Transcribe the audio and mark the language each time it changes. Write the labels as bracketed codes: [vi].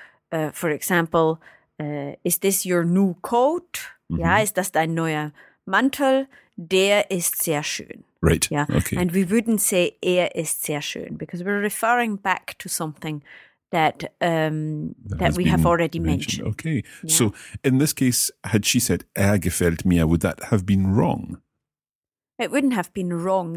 [en] For example, is this your new coat? Mm-hmm. Yeah. [de] Ist das dein neuer Mantel? Der ist sehr schön. [en] Right. Yeah. Okay. And we wouldn't say [de] er ist sehr schön [en] because we're referring back to something that we have already mentioned. Okay. Yeah. So in this case, had she said [de] er gefällt mir, [en] would that have been wrong? It wouldn't have been wrong.